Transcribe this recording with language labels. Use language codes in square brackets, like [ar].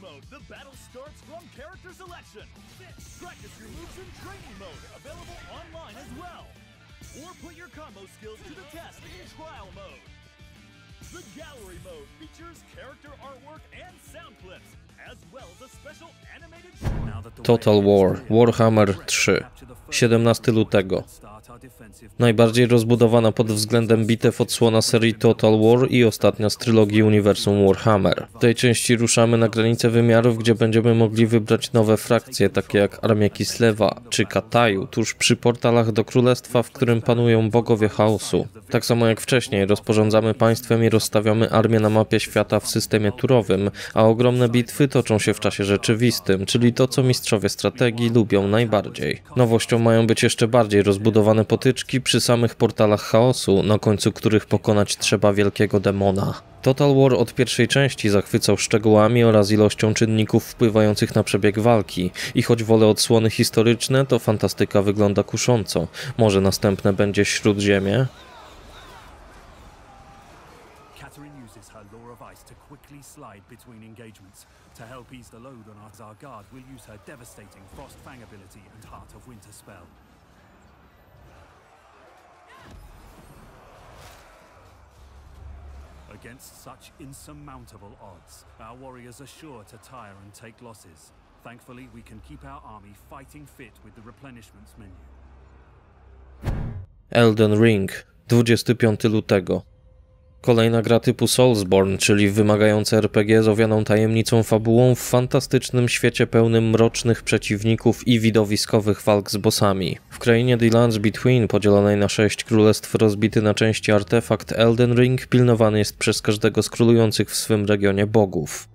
[en] The battle starts from character selection. Practice your moves in training mode, available online as well. Or put your combo skills to the test in trial mode. The gallery mode features character artwork and sound clips, as well as a special animated... [pl] Total War, Warhammer 3. 17 lutego. Najbardziej rozbudowana pod względem bitew odsłona serii Total War i ostatnia z trylogii uniwersum Warhammer. W tej części ruszamy na granicę wymiarów, gdzie będziemy mogli wybrać nowe frakcje, takie jak Armia Kislewa czy Kataju, tuż przy portalach do Królestwa, w którym panują bogowie chaosu. Tak samo jak wcześniej, rozporządzamy państwem i rozstawiamy armię na mapie świata w systemie turowym, a ogromne bitwy toczą się w czasie rzeczywistym, czyli to, co mistrzowie strategii lubią najbardziej. Nowością mają być jeszcze bardziej rozbudowane potyczki przy samych portalach chaosu, na końcu których pokonać trzeba wielkiego demona. Total War od pierwszej części zachwycał szczegółami oraz ilością czynników wpływających na przebieg walki. I choć wolę odsłony historyczne, to fantastyka wygląda kusząco. Może następne będzie Śródziemie? [en] Catherine uses her lore of ice to quickly slide between engagements. To help ease the load on our guard, we'll use her devastating frost fang ability and heart of winter spell. Against such insurmountable odds, our warriors are sure to tire and take losses. Thankfully, we can keep our army fighting fit with the replenishments menu. [pl] Elden Ring, 25 lutego. Kolejna gra typu Soulsborne, czyli wymagające RPG z owianą tajemnicą fabułą w fantastycznym świecie pełnym mrocznych przeciwników i widowiskowych walk z bossami. W krainie The Lands Between, podzielonej na 6 królestw rozbity na części artefakt Elden Ring, pilnowany jest przez każdego z królujących w swym regionie bogów.